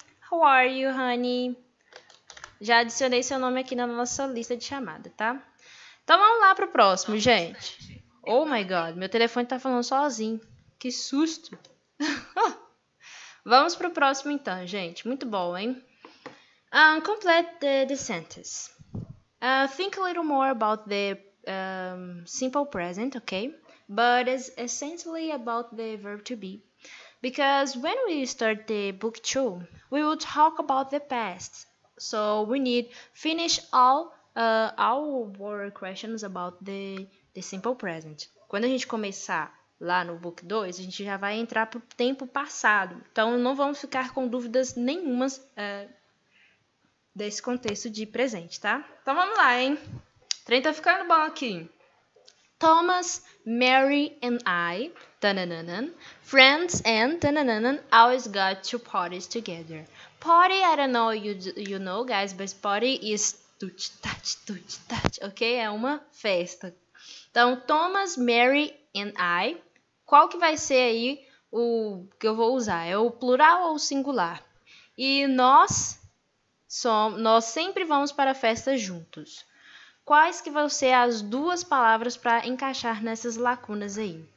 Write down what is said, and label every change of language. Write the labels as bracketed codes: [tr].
[en] How are you, honey? [pt] Já adicionei seu nome aqui na nossa lista de chamada, tá? Então vamos lá pro próximo, gente. [en] Oh my God, [pt] meu telefone tá falando sozinho. Que susto! Vamos pro próximo então, gente. Muito bom, hein? [en] Complete the sentence. Think a little more about the simple present, okay? But it's essentially about the verb to be. Because when we start the book two, we will talk about the past. So we need finish all. Our questions about the simple present. [pt] Quando a gente começar lá no book 2, a gente já vai entrar para o tempo passado. Então, não vamos ficar com dúvidas nenhumas desse contexto de presente, tá? Então, vamos lá, hein? Trem tá ficando bom aqui. [en] Thomas, Mary and I, tananana, friends and tananana, always got to parties together. Party, I don't know you know, guys, but party is tut, tat, ok? [pt] É uma festa. Então, [en] Thomas, Mary and I. [pt] Qual que vai ser aí o que eu vou usar? É o plural ou o singular? E nós sempre vamos para a festa juntos. Quais que vão ser as duas palavras para encaixar nessas lacunas aí?